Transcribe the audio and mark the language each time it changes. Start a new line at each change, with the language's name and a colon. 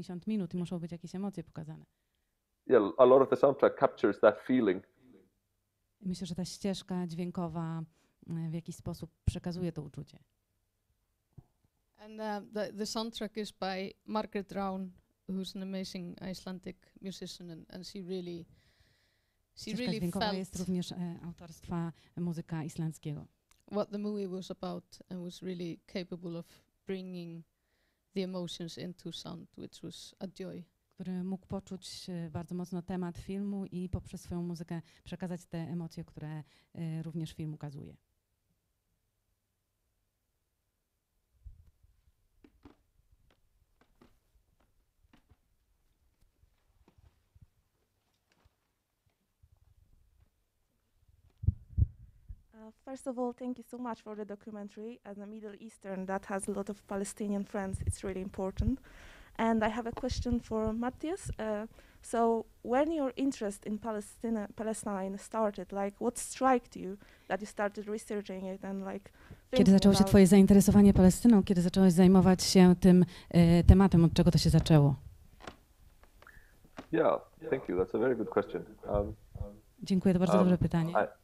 English: Yeah, a lot of the soundtrack captures that feeling.
Polish: Myślę, że ta ścieżka dźwiękowa w jakiś sposób przekazuje to uczucie.
English: And the soundtrack is by Margaret Rán, who's an amazing Icelandic musician, and she really,
Polish: jest również autorstwa muzyka islandzkiego.
English: What the movie was about and was really capable of bringing the emotions into sound, which was a joy.
Polish: Który mógł poczuć bardzo mocno temat filmu I poprzez swoją muzykę przekazać te emocje, które również film ukazuje.
English: First of all, thank you so much for the documentary. As a Middle Eastern that has a lot of Palestinian friends, it's really important. And I have a question for Matthias. So when your interest in Palestine started, like what struck you that you started researching it and like
Polish: kiedy zaczęło się twoje zainteresowanie Palestyną, kiedy zacząłeś zajmować się tym tematem, od czego to się zaczęło?
English: Yeah, thank you. That's a very good question.
Polish: Dziękuję, to bardzo dobre pytanie.